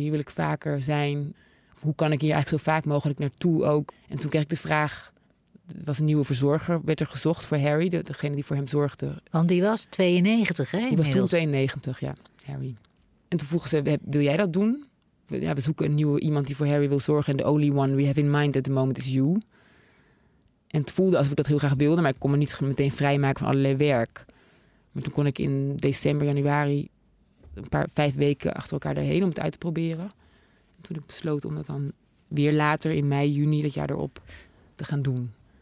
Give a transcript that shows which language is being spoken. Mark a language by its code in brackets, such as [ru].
[nl] Hier wil ik vaker zijn. Hoe kan ik hier eigenlijk zo vaak mogelijk naartoe ook? En toen kreeg ik de vraag, er was een nieuwe verzorger, werd er gezocht voor Harry, degene die voor hem zorgde. Want die was 92, hè? Die was toen 92, ja, Harry. En toen vroegen ze, wil jij dat doen? Ja, we zoeken een nieuwe iemand die voor Harry wil zorgen. [en] And the only one we have in mind at the moment is you. [nl] En het voelde alsof ik dat heel graag wilde, maar ik kon me niet meteen vrijmaken van allerlei werk. Maar toen kon ik in december, januari, vijf weken achter elkaar daarheen om het uit te proberen. En toen ik besloot om dat dan weer later in mei, juni, dat jaar erop te gaan doen.